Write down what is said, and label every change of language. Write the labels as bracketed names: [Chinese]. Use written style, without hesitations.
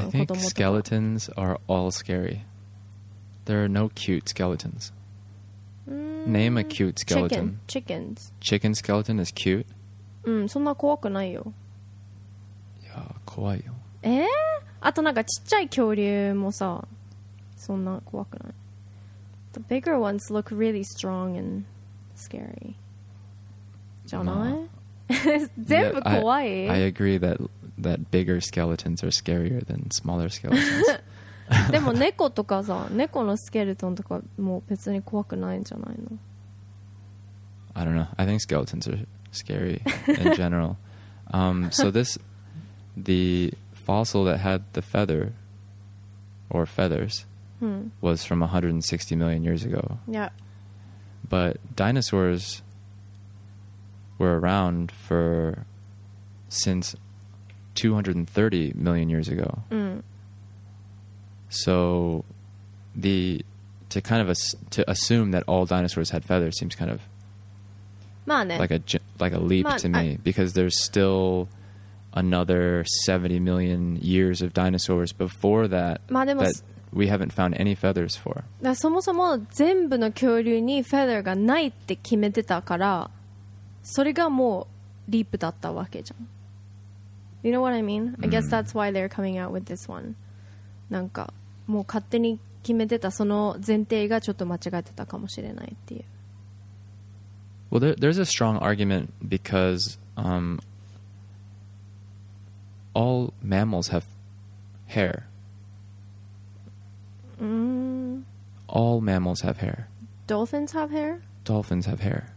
[English] I think skeletons are all scary. There are no cute skeletons. Name a cute skeleton. Chickens. Chicken skeleton is cute? [Japanese] うん、そんな怖くないよ。いや、怖いよ。あとなんかちっちゃい恐竜もさ、そんな怖くない。 [English] The bigger ones look really strong and scary. [Japanese] じゃない?全部怖い? [English] Yeah, I agree that bigger skeletons are scarier than smaller skeletons. [Japanese] でも猫とかさ、猫のスケルトンとかもう別に怖くないんじゃないの? [English] I don't know. I think skeletons are scary in general. So this, the fossil that had the feather or feathers was from 160 million years ago. Yeah. But dinosaurs... were around for since 230 million years ago. So the to kind of to assume that all dinosaurs had feathers seems kind of like a leap to me because there's still another 70 million years of dinosaurs before that that we haven't found any feathers for. [Japanese] そもそも全部の恐竜にフェザーがないって決めてたからそれがもうリープだったわけじゃん。 [English] You know what I mean? I guess that's why they're coming out with this one. [Japanese] なんかもう勝手に決めてたその前提がちょっと間違えてたかもしれないっていう。 [English] Well, there's a strong argument because all mammals have hair. All mammals have hair. Dolphins have hair? Dolphins have hair.